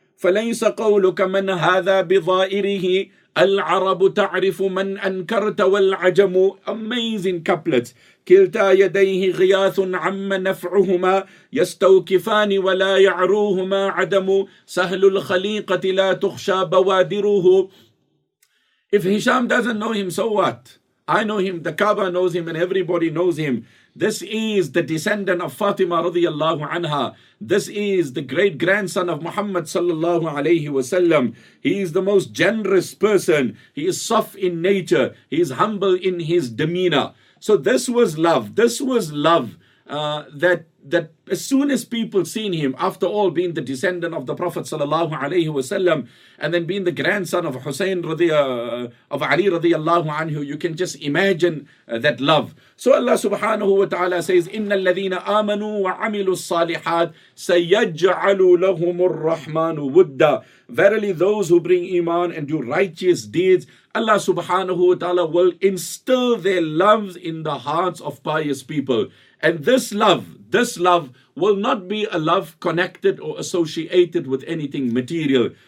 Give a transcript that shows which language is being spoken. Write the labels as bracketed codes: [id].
[ar] فليس قولك من هذا بظائره العرب تعرف من أنكرت والعجم [en] amazing couplets [ar] كلتا يديه غياث عم نفعهما يستوكفان ولا يعروهما عدم سهل الخليقة لا تخشى بوادره. [en] If Hisham doesn't know him, so what? I know him, the Kaaba knows him, and everybody knows him. This is the descendant of Fatima radiyallahu anha. This is the great grandson of Muhammad sallallahu alayhi wasallam. He is the most generous person. He is soft in nature. He is humble in his demeanor. So this was love. This was love that as soon as people seen him, after all being the descendant of the Prophet sallallahu alayhi wasallam, and then being the grandson of Hussein of Ali radiyallahu anhu, you can just imagine that love. So Allah subhanahu wa ta'ala says, [ar] إِنَّ الَّذِينَ آمَنُوا وَعَمِلُوا الصَّالِحَاتِ سَيَجْعَلُوا لَهُمُ الرَّحْمَنُ وُدَّا. [en] Verily those who bring iman and do righteous deeds, Allah subhanahu wa ta'ala will instill their loves in the hearts of pious people. And this love will not be a love connected or associated with anything material.